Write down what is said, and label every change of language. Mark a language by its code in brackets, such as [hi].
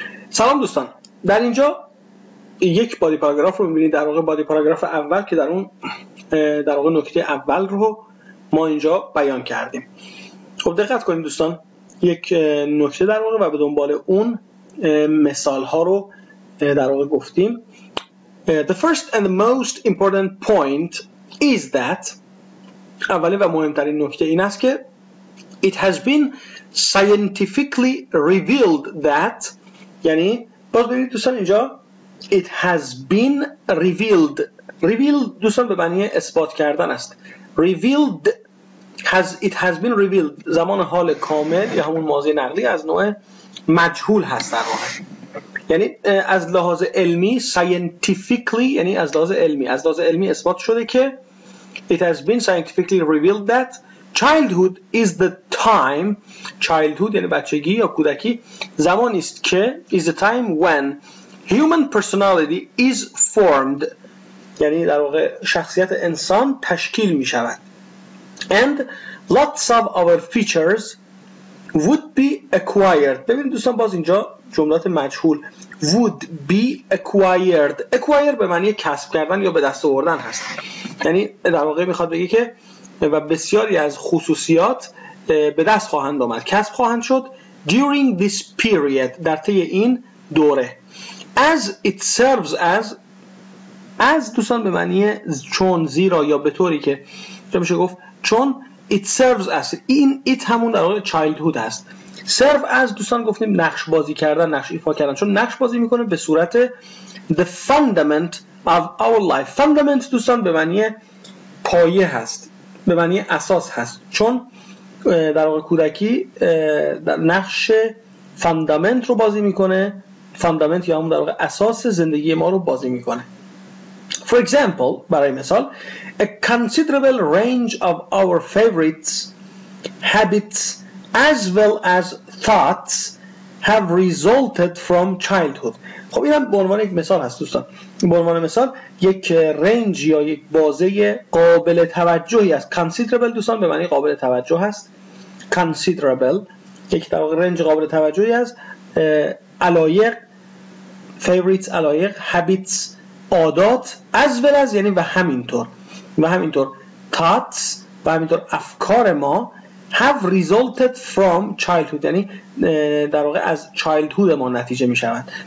[fa] سلام دوستان، در اینجا یک بادی پاراگراف رو میبینید، در واقع بادی پاراگراف اول که در اون در واقع نکته اول رو ما اینجا بیان کردیم. خب دقت کنید دوستان، یک نکته در واقع و به دنبال اون مثال ها رو در واقع گفتیم. [en] The first and the most important point is that [fa] اولین و مهمترین نکته این است که [en] It has been scientifically revealed that، [fa] یعنی باز ببینید دوستان اینجا [en] It has been revealed. [fa] Revealed دوستان به معنی اثبات کردن است. [en] Revealed has It has been revealed [fa] زمان حال کامل یا همون ماضی نقلی از نوع مجهول هست در واقع. یعنی از لحاظ علمی scientifically، یعنی از لحاظ علمی اثبات شده که [en] It has been scientifically revealed that childhood is the time، [fa] childhood یعنی بچگی یا کودکی، زمانی است که [en] is the time when human personality is formed، [fa] یعنی در واقع شخصیت انسان تشکیل می شود. [en] And lots of our features would be acquired. [fa] ببینید دوستان باز اینجا جملات مجهول [en] would be acquired. [fa] Acquire به معنی کسب کردن یا به دست آوردن هست. یعنی در واقع میخواد بگه که و بسیاری از خصوصیات به دست خواهند آمد، کسب خواهند شد. [en] During this period، [fa] در طی این دوره. [en] As it serves as [fa] دوستان به معنی چون، زیرا یا به طوری که، چه میشه گفت چون. [en] It serves as، [fa] این it همون در واقع childhood است. Serve as دوستان گفتیم نقش بازی کردن، نقش ایفا کردن، چون نقش بازی میکنه به صورت [en] the fundament of our life. [fa] Fundament دوستان به معنی پایه هست، به معنی اساس هست، چون در واقع کودکی در نقش فاندامنت رو بازی میکنه، فاندامنت یا همون در واقع اساس زندگی ما رو بازی میکنه. [en] For example، [fa] برای مثال، [en] a considerable range of our favorites، habits as well as thoughts have resulted from childhood. [fa] خب این هم به عنوان یک مثال هست دوستان، به عنوان مثال یک رنج یا یک بازه قابل توجهی است. considerable دوستان به معنی قابل توجه هست. considerable یک در واقع رنج قابل توجهی است. علایق، favorites علایق، habits عادات، [en] as well as [fa] یعنی و همینطور thoughts و همینطور افکار ما [en] have resulted from childhood، [fa] یعنی در واقع از childhood ما نتیجه می شود.